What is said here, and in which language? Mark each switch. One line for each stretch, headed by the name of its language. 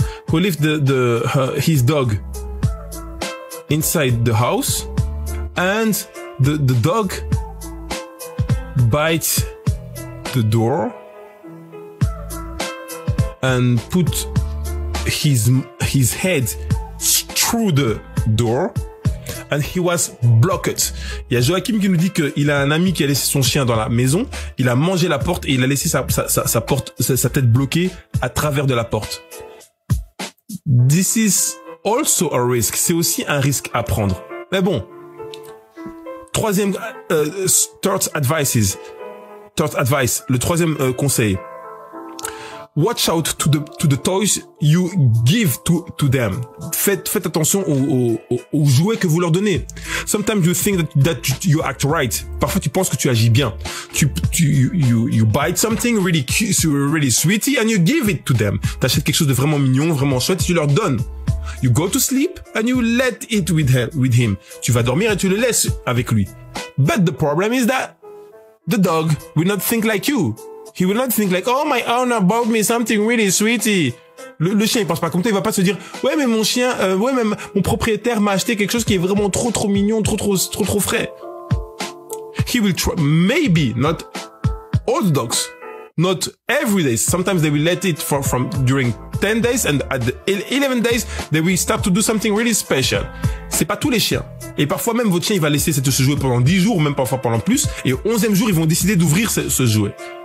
English: who lived his dog inside the house, and the dog bites the door and put his head through the door. And he was blocked.
French: Il y a Joachim qui nous dit qu'il a un ami qui a laissé son chien dans la maison. Il a mangé la porte et il a laissé sa tête bloquée à travers de la porte.
English: This is also a risk.
French: C'est aussi un risque à prendre. Mais bon.
English: Troisième, third advice.
French: Le troisième conseil.
English: Watch out to the toys you give to them.
French: Faites attention aux jouets que vous leur donnez.
English: Sometimes you think that you act right.
French: Parfois tu penses que tu agis bien.
English: You bite something really cute, really sweetie, and you give it to them.
French: T'achètes quelque chose de vraiment mignon, vraiment chouette, et tu leur donnes.
English: You go to sleep and you let it with him.
French: Tu vas dormir et tu le laisses avec lui.
English: But the problem is that the dog will not think like you. He will not think like, oh, my owner bought me something really sweetie.
French: Le chien, il pense pas comme toi. Il va pas se dire, ouais, mais mon chien, mon propriétaire m'a acheté quelque chose qui est vraiment trop, trop mignon, trop frais. He will try, maybe not all dogs, not every day. Sometimes they will let it from during 10 days and at the 11 days, they will start to do something really special. C'est pas tous les chiens. Et parfois même votre chien, il va laisser ce jouet pendant 10 jours, même parfois pendant plus. Et au 11e jour, ils vont décider d'ouvrir ce jouet.